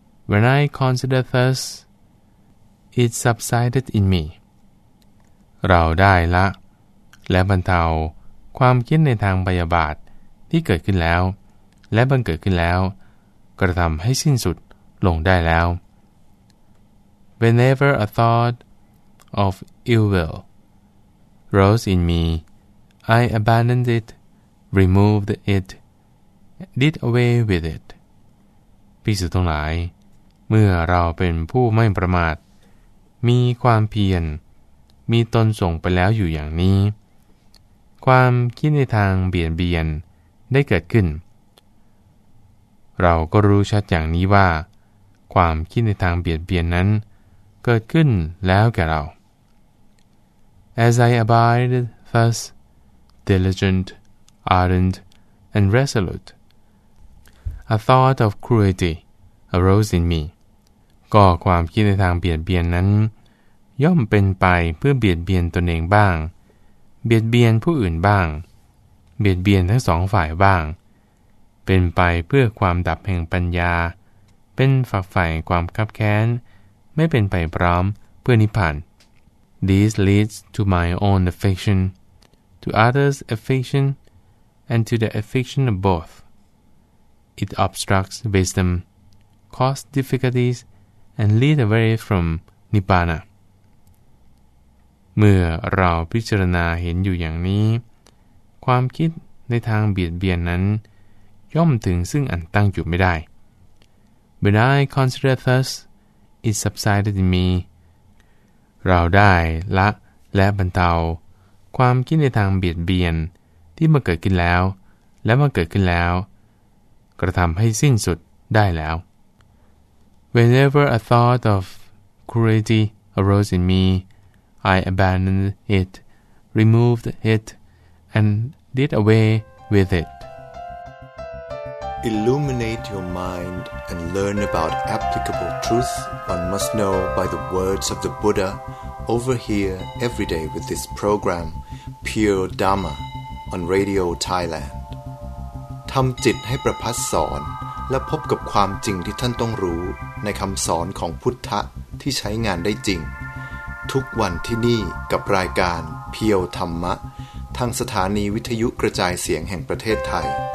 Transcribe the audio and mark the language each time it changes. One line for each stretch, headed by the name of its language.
English: When I consider thus, it subsided in me.
Thai: เราได้ละและบรรเทาความคิดในทางปฏิบัติที่เกิดขึ้นแล้วและบังเกิดขึ้นแล้วกระทำให้สิ้นสุดลงได้แล้ว
English: Whenever a thought of ill will. Rose in me, I abandoned it, removed it, did away with it.
Thai: ภิกษุทั้งหลายเมื่อเราเป็นผู้ไม่ประมาทมีความเพียรมีตนส่งไปแล้วอยู่อย่างนี้ความคิดในทางเบียดเบียนได้เกิดขึ้น เราก็รู้ชัดอย่างนี้ว่าความคิดในทางเบียดเบียนนั้นเกิดขึ้นแล้วแก่เรา
English: As I abide thus, diligent, ardent, and resolute, a thought of cruelty arose in me.
Thai: ก็ความคิดในทางเบียดเบียนนั้นย่อมเป็นไปเพื่อเบียดเบียนตนเองบ้างเบียดเบียนผู้อื่นบ้างเบียดเบียนทั้งสองฝ่ายบ้างเป็นไปเพื่อความดับแห่งปัญญาเป็นฝักใฝ่ความคับแค้นไม่เป็นไปพร้อมเพื่อนิพพาน
English: This leads to my own affection, to others' affection, and to the affection of both. It obstructs wisdom, causes difficulties, and leads away from Nibbana.
Thai: เมื่อเราพิจารณาเห็นอยู่อย่างนี้ความคิดในทางเบียดเบียนนั้นย ย่อมถึงซึ่งอันตั้งอยู่ไม่ได้
English: When I consider thus, it subsided in me.
Thai: เราได้ละและบรรเทาความคิดในทางเบียดเบียนที่มาเกิดขึ้นแล้วและมาเกิดขึ้นแล้วกระทำให้สิ้นสุดได้แล้ว
English: Whenever a thought of cruelty arose in me, I abandoned it, removed it, and did away with it. Illuminate your mind and learn about applicable truth one must know by the words of the Buddha over here every day with this program, Pure Dharma, on Radio Thailand.
Thai: ทำจิตให้ประพัสสอนและพบกับความจริงที่ท่านต้องรู้ในคำสอนของพุทธะที่ใช้งานได้จริงทุกวันที่นี่กับรายการเพียวธรรมะทางสถานีวิทยุกระจายเสียงแห่งประเทศไทย